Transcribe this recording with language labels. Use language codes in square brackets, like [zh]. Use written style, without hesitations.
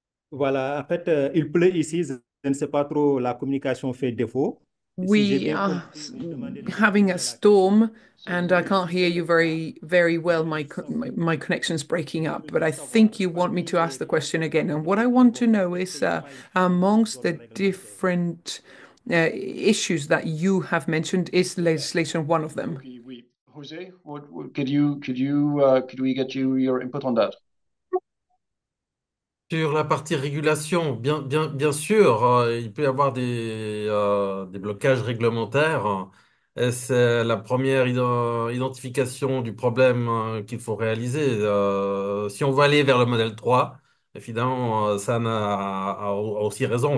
[fr] Voilà, en fait, il pleut ici, je ne sais pas trop, la communication fait défaut. [en] We are having a storm, and I can't hear you very, very well. My connection's breaking up, but I think you want me to ask the question again. And what I want to know is, amongst the different issues that you have mentioned, is legislation one of them? Jose, could we get you your input on that? [fr] Sur la partie régulation, bien sûr, il peut y avoir des blocages réglementaires. Et c'est la première identification du problème qu'il faut réaliser. Si on veut aller vers le modèle 3, évidemment, Sam a aussi raison.